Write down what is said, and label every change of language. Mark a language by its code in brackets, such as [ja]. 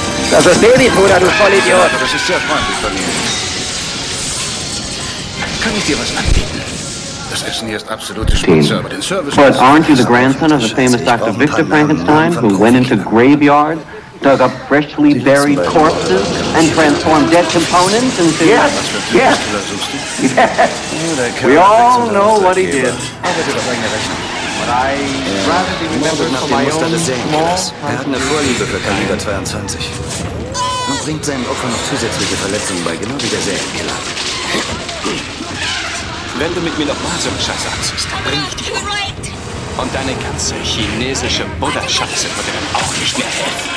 [de] Das ist Babyfutter, du Vollidiot. Aber das ist sehr freundlich von mir. Kann ich dir was anbieten? Das Essen hier ist absolute Schmutz. [en] But aren't you the grandson of the famous Dr. Victor Frankenstein, who went into graveyards, dug up freshly buried corpses and transformed dead components into... Yes, yes, yes. We all know what he did. [de] Er hat eine Vorliebe für Kaliber 22 und bringt seinen Opfern noch zusätzliche Verletzungen bei, genau wie der Serienkiller. Wenn du mit mir noch mal so einen Scheiß anziehst, dann bring ich dich um. Und deine ganze chinesische Buddha-Scheiße wird dir dann auch nicht mehr helfen.